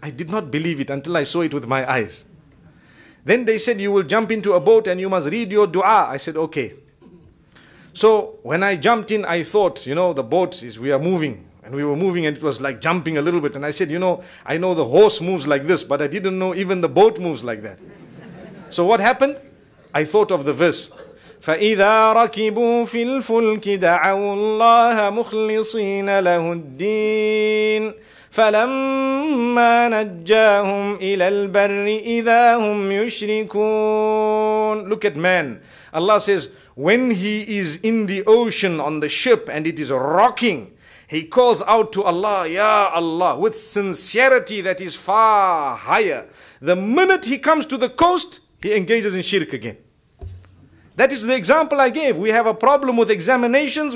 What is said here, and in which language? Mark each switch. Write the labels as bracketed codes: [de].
[en] I did not believe it until I saw it with my eyes. Then they said, "You will jump into a boat and you must read your dua." I said, "Okay." So when I jumped in, I thought, you know, the boat is, we are moving. And we were moving and it was like jumping a little bit. And I said, "You know, I know the horse moves like this, but I didn't know even the boat moves like that." So what happened? I thought of the verse. [ar] فَإِذَا رَكِبُوا فِي الْفُلْكِ دَعَوُوا اللَّهَ مُخْلِصِينَ لَهُ الدِّينَ فَلَمَّا نَجَّاهُمْ إِلَى الْبَرِّ إِذَا هُمْ يُشْرِكُونَ. [en] Look at man. Allah says, when he is in the ocean on the ship and it is rocking, he calls out to Allah, "Ya Allah," with sincerity that is far higher. The minute he comes to the coast, he engages in shirk again. That is the example I gave. We have a problem with examinations.